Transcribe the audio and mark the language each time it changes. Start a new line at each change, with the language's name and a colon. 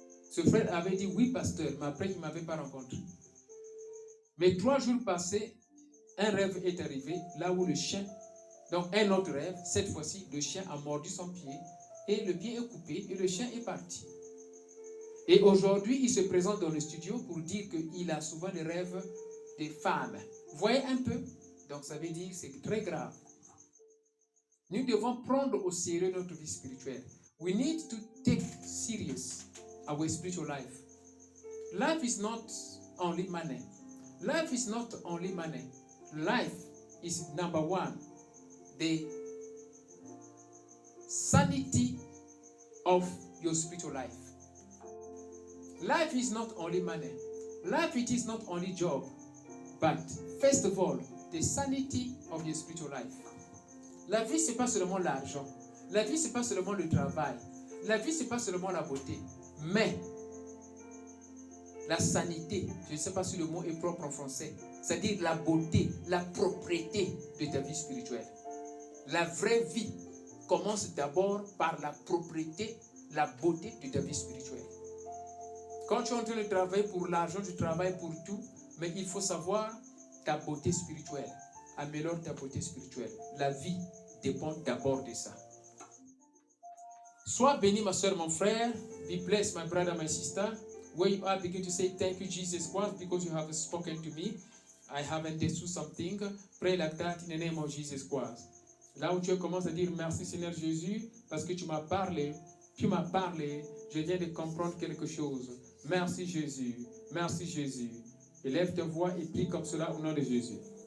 French: Ce frère avait dit oui pasteur, mais après il ne m'avait pas rencontré. Mais 3 jours passés, un rêve est arrivé, là où le chien, donc un autre rêve, cette fois-ci le chien a mordu son pied, et le pied est coupé et le chien est parti. Et aujourd'hui il se présente dans le studio pour dire qu'il a souvent les rêves des femmes. Voyez un peu, donc ça veut dire que c'est très grave. Nous devons prendre au sérieux notre vie spirituelle.
English: We need to take serious our spiritual life. Life is not only money. Life is not only money. Life is number one, the sanity of your spiritual life. Life is not only money. Life, it is not only job. But first of all, the sanity of your spiritual life.
French: La vie, ce n'est pas seulement l'argent. La vie, ce n'est pas seulement le travail. La vie, ce n'est pas seulement la beauté. Mais, la sanité, je ne sais pas si le mot est propre en français, c'est-à-dire la beauté, la propriété de ta vie spirituelle. La vraie vie commence d'abord par la propriété, la beauté de ta vie spirituelle. Quand tu es en train de travailler pour l'argent, tu travailles pour tout, mais il faut savoir ta beauté spirituelle. Améliore ta beauté spirituelle. La vie dépend d'abord de ça. Sois béni, ma soeur, mon frère.
English: Be blessed, my brother, my sister. Where you are, begin to say thank you, Jesus Christ, because you have spoken to me. I have understood something. Pray like that in the name of Jesus Christ.
French: Là où tu commences à dire merci, Seigneur Jésus, parce que tu m'as parlé, je viens de comprendre quelque chose. Merci, Jésus. Merci, Jésus. Élève ta voix et prie comme cela au nom de Jésus.